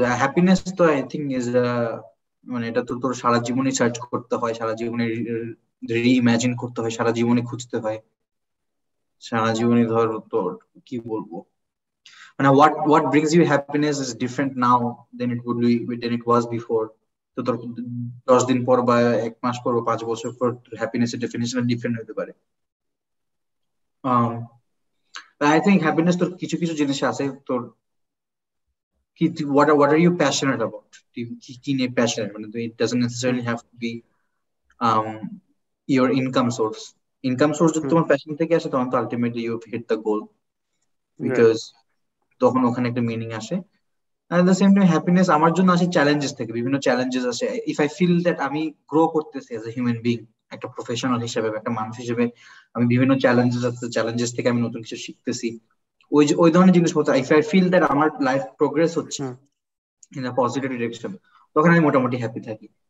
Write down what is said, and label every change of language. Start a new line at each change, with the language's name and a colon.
English: happiness তো I think is
Bangla: মানে এটা তো তোর সারা জীবনই সার্চ করতে হয়, সারা জীবনই রিইমাজিন করতে হয়, সারা জীবনই খুঁজতে হয়, সারা জীবনই ধর তোর কি বলবো মানে
English: what brings you happiness is different now than it would be than it was before,
Bangla: তো তোর 10 দিন পর বা 1 মাস পর বা 5 বছর পর হ্যাপিনেস এর ডেফিনেশন ডিফারেন্ট হতে পারে।
English: I think happiness
Bangla: তোর কিছু কিছু জিনিস আছে তোর কি
English: what are you passionate about,
Bangla: কি নিয়ে passionate মানে তুই,
English: it doesn't necessarily have to be your income source
Bangla: যদি তোমার passion থেকে আসে তখন তো
English: ultimately you have hit the goal because
Bangla: তখন ওখানে একটা meaning আসে।
English: And at the same time
Bangla: happiness আমার জন্য আসে challenges থেকে, বিভিন্ন challenges আসে,
English: if I feel that
Bangla: আমি grow করতেছি as a human being একটা প্রফেশনাল হিসেবে একটা মানুষ হিসেবে আমি বিভিন্ন চ্যালেঞ্জেস থেকে আমি নতুন কিছু শিখতেছি, ওই ওই ধরনের জিনিসপত্র
English: if I feel that
Bangla: আমার লাইফ প্রোগ্রেস হচ্ছে
English: in a positive direction
Bangla: তখন আমি মোটামুটি হ্যাপি থাকি।